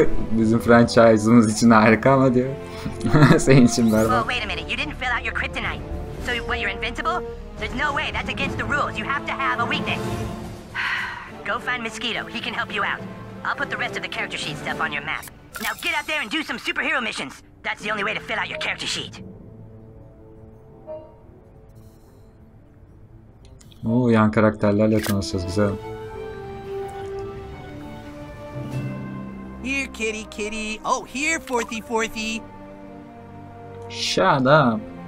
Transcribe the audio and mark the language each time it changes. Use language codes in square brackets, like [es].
[tr] Bizim franchise'ımız için harika ama diyor. Senin için berbat. [en] Wait a minute. You didn't fill out your kryptonite. So when you're invincible, there's no way. That's against the rules. You have to have a weakness. Go find Mosquito. He can help you out. I'll put the rest of the character sheet stuff on your map. Now get out there and do some superhero missions. That's the only way to fill out your character sheet. [tr] Oo, yan karakterlerle tanışacağız, güzel. [en] Here, kitty, kitty. Oh, here, Forthy, Forthy. Shut up.